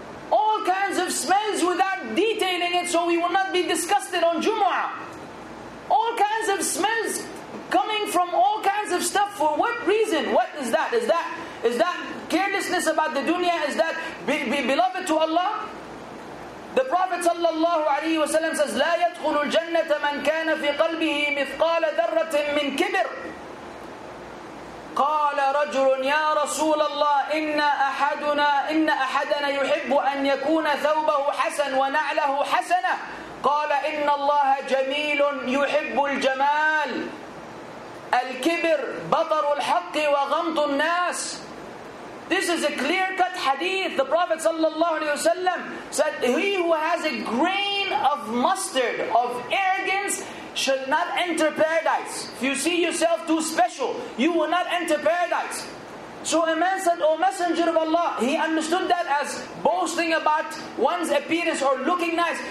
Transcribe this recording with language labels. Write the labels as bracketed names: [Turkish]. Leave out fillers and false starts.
[English] All kinds of smells without detailing it so we will not be disgusted on Jumu'ah. All kinds of smells coming from all kinds of stuff. For what reason? What is that? Is that carelessness about the dunya? Is that beloved to Allah? The Prophet sallallahu alaihi wasallam says, [Arabic] لا يدخل الجنة من كان في قلبه مثقال ذرة من كبر. قال رجل يا رسول الله إن أحدنا يحب أن يكون ثوبه حسن ونعله حسنة. قال إن الله جميل يحب الجمال. الكبر بطر الحق وغمط الناس. [English] This is a clear-cut hadith. The Prophet sallallahu alaihi wasallam said, "He who has a grain of mustard of arrogance should not enter paradise. If you see yourself too special, you will not enter paradise." So a man said, "O Messenger of Allah," he understood that as boasting about one's appearance or looking nice.